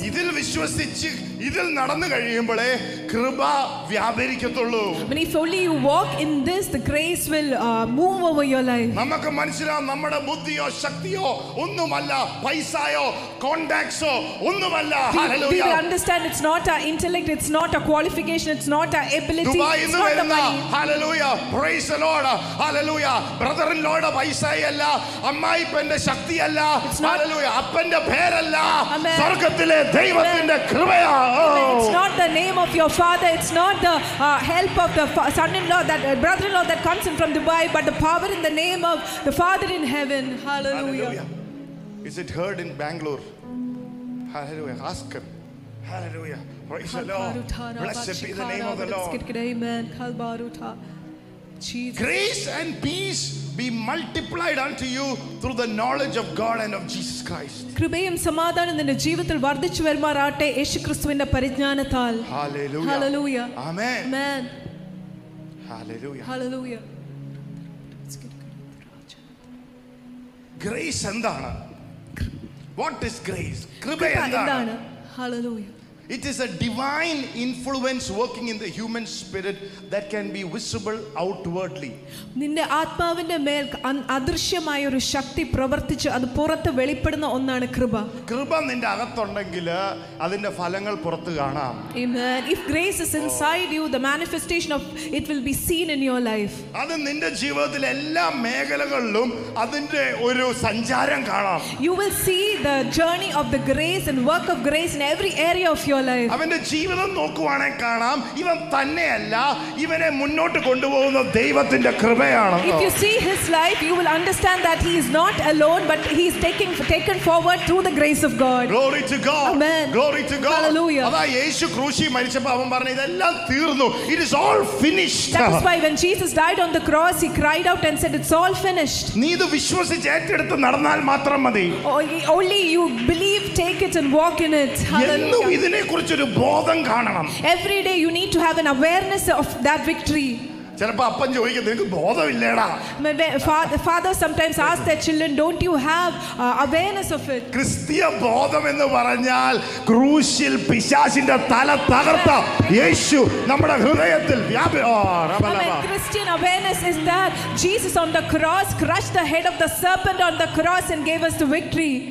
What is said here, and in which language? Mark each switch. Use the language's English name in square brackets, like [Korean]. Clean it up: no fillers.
[Malayalam] ഇതിൽ വിശ്വസിച്ച് ഇതിൽ നടന്നു കഴിയുമ്പോഴേ കൃപ വ്യാപരിക്കത്തുള്ളൂ. [English] When if only you walk in this, the grace will move over your life. [Malayalam] നമുക്ക് മനസ്സിലാവും നമ്മുടെ ബുദ്ധിയോ ശക്തിയോ ഒന്നുമല്ല, പൈസയോ കോണ്ടാക്ട്സോ ഒന്നുമല്ല. [English] ഹല്ലേലൂയ. We will understand it's not our intellect, it's not our qualification, it's not our ability. [Malayalam] ദുബായിൽ നിന്ന് വരുന്ന [English] ഹല്ലേലൂയ, praise the lord, ഹല്ലേലൂയ. Brother in lord [Malayalam] പൈസയല്ല, അമ്മായിപ്പന്റെ ശക്തിയല്ല, hallelujah. അപ്പന്റെ പേരല്ല, സ്വർഗ്ഗത്തിലെ ദൈവത്തിന്റെ കൃപയാ. [English] It's not the name of your father, it's not the help of the son-in-law, that brother-in-law that comes in from Dubai, but the power in the name of the Father in heaven. Hallelujah. Is it heard in Bangalore? Hallelujah. Ask him. Hallelujah. Praise the Lord. Blessed be the name of the Lord. Amen. Kalbaruta. Jesus. Grace and peace be multiplied unto you through the knowledge of God and of Jesus Christ. [Malayalam] കൃപയും സമാധാനവും നിന്റെ ജീവിതത്തിൽ വർദ്ധിച്ചു വരുമാറാകട്ടെ യേശുക്രിസ്തുവിന്റെ പരിജ്ഞാനത്താൽ. [English] ഹല്ലേലൂയ. ഹല്ലേലൂയ. ആമേൻ. ആമേൻ. ഹല്ലേലൂയ. ഹല്ലേലൂയ. [Malayalam] Grace എന്താണ്? [English] What is grace? [Malayalam] കൃപ എന്താണ്? [English] ഹല്ലേലൂയ. It is a divine influence working in the human spirit that can be visible outwardly. [Malayalam] നിന്റെ ആത്മാവിന്റെ മേൽ അദൃശ്യമായ ഒരു ശക്തി പ്രവർത്തിച്ച് അത് പുറത്ത് വെളിപ്പെടുന്ന ഒന്നാണ് കൃപ. കൃപ നിന്റെ അകത്തുണ്ടെങ്കിൽ അതിന്റെ ഫലങ്ങൾ പുറത്ത് കാണാം. [English] Amen. If grace is inside you, the manifestation of it will be seen in your life. [Malayalam] അത് നിന്റെ ജീവിതത്തിലെ എല്ലാ മേഖലകളിലും അതിന്റെ ഒരു സഞ്ചാരം കാണാം. [English] You will see the journey of the grace and work of grace in every area of your life. [Malayalam] അവന്റെ ജീവിതം നോക്കുവാണേ കാണാം ഇവൻ തന്നെയല്ല ഇവനെ മുന്നോട്ട് കൊണ്ടുപോകുന്ന ദൈവത്തിന്റെ കൃപയാണ്. [English] If you see his life, you will understand that he is not alone, but he is taken forward through the grace of God. Glory to God. Amen. Glory to God. Hallelujah. [Malayalam] അതാ യേശു ക്രൂശി മരിച്ചപ്പോൾ അവൻ പറഞ്ഞു ഇതെല്ലാം തീർന്നു. [English] It is all finished. That is why when Jesus died on the cross, he cried out and said, it's all finished. [Malayalam] നീ ഇത് വിശ്വസിച്ച് ഏറ്റെടുത്ത് നടന്നാൽ മാത്രം മതി. [English] Only you believe, take it and walk in it. Hallelujah. [Malayalam] ഇതിനെക്കുറിച്ചൊരു ബോധം കാണണം. [English] Every day you need to have an awareness of that victory. [Malayalam] ചിലപ്പോ അപ്പൻ ചോദിക്കും നിനക്ക് ബോധമില്ലേടാ. [English] Father sometimes ask their children, don't you have awareness of it? [Malayalam] ക്രിസ്തീയ ബോധം എന്ന് പറഞ്ഞാൽ ക്രൂശിൽ പിശാചിന്റെ തല തകർത്ത യേശു നമ്മുടെ ഹൃദയത്തിൽ വ്യാപിച്ചു. [English] Christian awareness is that Jesus on the cross crushed the head of the serpent on the cross and gave us the victory.